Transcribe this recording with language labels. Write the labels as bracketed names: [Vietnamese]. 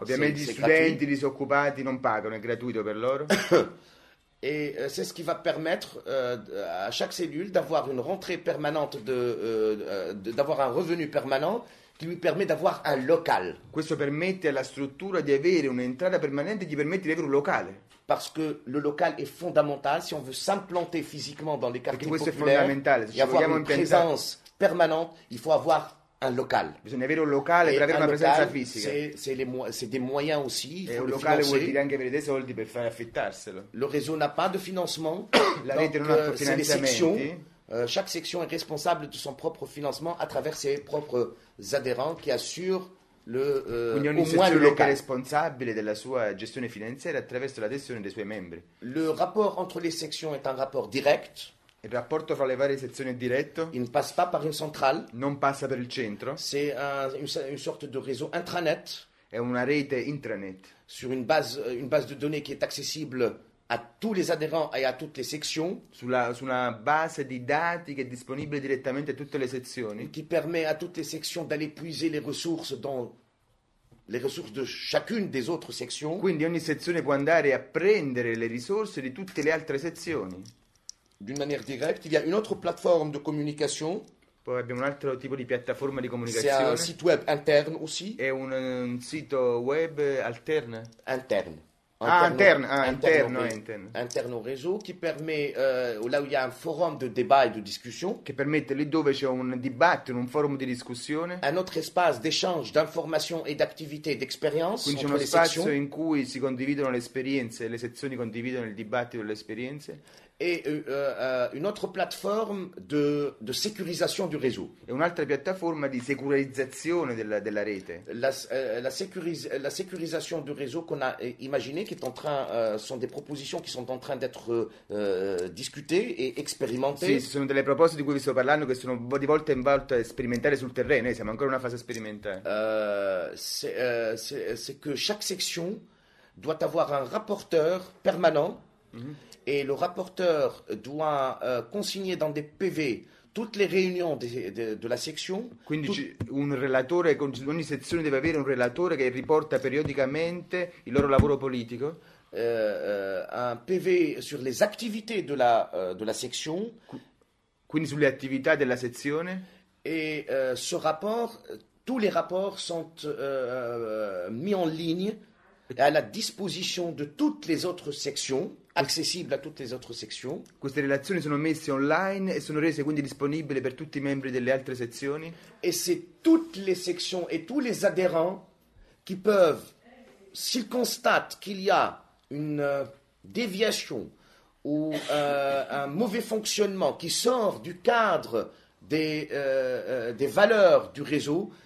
[Italian] Ovviamente gli studenti, i disoccupati non pagano, è gratuito per loro. [French] Et c'est ce qui va permettre à chaque cellule d'avoir une rentrée permanente d'avoir un revenu permanent qui lui permet d'avoir un local. [Italian] Questo permette alla struttura di avere un'entrata permanente che gli permette di avere un locale. [French] Parce que le local est fondamental si on veut s'implanter physiquement dans les quartiers populaires. [Italian] Perché questo è fondamentale. Se ci vogliamo impiantare, [French] avoir une présence permanente, il faut avoir un local. [Italian] Bisogna avere un locale per avere una presenza fisica. [French] C'est des moyens aussi. [Italian] E un locale vuol dire anche avere dei soldi per fare affittarselo. [French] Le réseau n'a pas de financement. [Italian] La rete non ha finanziamenti. [French] Chaque section est responsable de son propre financement à travers ses propres adhérents qui assurent le, [Italian] quindi ogni sezione è responsabile della sua gestione finanziaria attraverso l'adesione dei suoi membri. [French] Le rapport entre les sections est un rapport direct. [Italian] Il rapporto fra le varie sezioni è diretto. [French] Il ne passe pas par une centrale. [Italian] Non passa per il centro. [French] C'est une sorte de réseau intranet. [Italian] È una rete intranet. [French] Sur une base de données qui est accessible à tous les adhérents et à toutes les sections. [Italian] Su una base di dati che è disponibile direttamente a tutte le sezioni. [French] Qui permet à toutes les sections d'aller puiser les ressources de chacune des autres sections. [Italian] Quindi ogni sezione può andare a prendere le risorse di tutte le altre sezioni. [French] D'une manière directe, il y a une autre plateforme de communication. [Italian] Poi abbiamo un altro tipo di piattaforma di comunicazione. [French] C'est un site web interne aussi. [Italian] È un sito web alterne. [French] Interne. [Italian] Interno [French] au réseau qui permet là où il y a un forum de débat et de discussion [Italian] che permette lì dove c'è un dibattito, un forum di discussione, [French] un autre espace d'échange d'informations et d'activités d'expérience. [Italian] Quindi c'è uno spazio in cui si condividono le esperienze, le sezioni condividono il dibattito e le esperienze. [French] Et une autre plateforme de sécurisation du réseau. [Italian] E un'altra piattaforma di sécurisation della rete. [French] La sécurisation du réseau qu'on a imaginé, qui est en train, sont des propositions qui sont en train d'être discutées et expérimentées. [Italian] Sì, [French] ce sont des propositions [Italian] di cui vi sto parlando, [French] qui sont [Italian] di volta in volta sperimentate sul terreno. Noi siamo ancora in una fase sperimentale. [French] C'est que chaque section doit avoir un rapporteur permanent. Et le rapporteur doit consigner dans des PV toutes les réunions de la section. [Italian] Quindi un relatore, ogni sezione deve avere un relatore che riporta periodicamente il loro lavoro politico. [French] Un PV sur les activités de la section. [Italian] Quindi sulle attività della sezione. [French] Et ce rapport, tous les rapports sont mis en ligne à la disposition de toutes les autres sections. [Italian] Accessible a tutte le altre sezioni. Queste relazioni sono messe online e sono rese quindi disponibili per tutti i membri delle altre sezioni. E se tutte le sezioni e tutti gli aderenti che [French] peuvent, s'ils constatent qu'il y a une déviation ou un mauvais fonctionnement qui sort du cadre des valeurs du réseau,